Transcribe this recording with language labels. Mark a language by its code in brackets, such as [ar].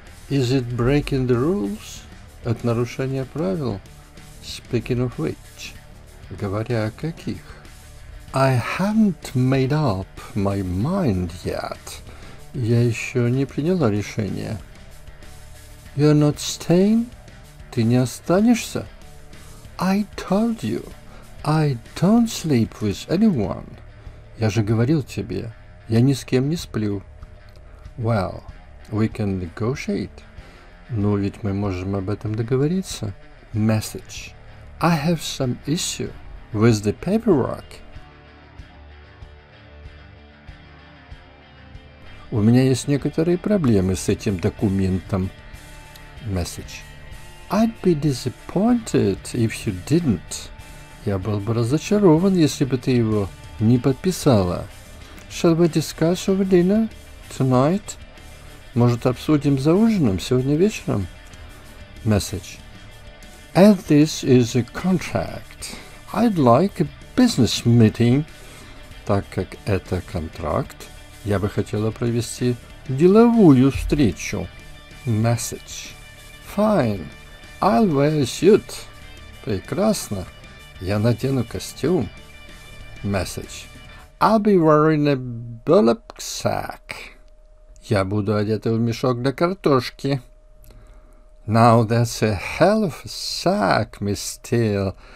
[en] Is it breaking the rules? [ru] От нарушения правил? [en] Speaking of which, [ru] говоря о каких? [en] I haven't made up my mind yet. [ru] Я еще не приняла решение. [en] You're not staying? [ru] Ты не останешься? [en] I told you, I don't sleep with anyone. [ru] Я же говорил тебе, я ни с кем не сплю. [en] Well, we can negotiate. [ru] Ну ведь мы можем об этом договориться. [en] Message. I have some issue with the paperwork. [ru] У меня есть некоторые проблемы с этим документом. [en] Message. I'd be disappointed if you didn't. [ru] Я был бы разочарован, если бы ты его не подписала. [en] Shall we discuss over dinner tonight? [ru] Может, обсудим за ужином сегодня вечером? [en] Message. As this is a contract, I'd like a business meeting. [ru] Так как это контракт, я бы хотела провести деловую встречу. [en] Message. Fine. I'll wear a suit. [ru] Прекрасно. Я надену костюм. [en] Message. I'll be wearing a burlap sack. [ru] Я буду одета в мешок для картошки. [en] Now that's a hell of a sack, Miss Steele.